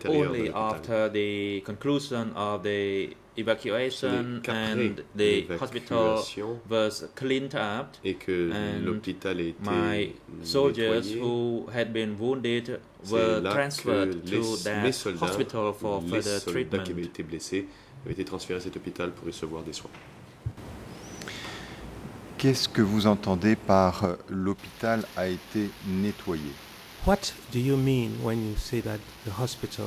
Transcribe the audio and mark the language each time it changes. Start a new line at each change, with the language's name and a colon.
English: Only after the conclusion of the evacuation and the hospital was cleaned up, and my soldiers who had been wounded were transferred to that hospital for further treatment.
French: Avait été transféré à cet hôpital pour recevoir des soins. Qu'est-ce que vous entendez par l'hôpital a été nettoyé?
English: What do you mean when you say that the hospital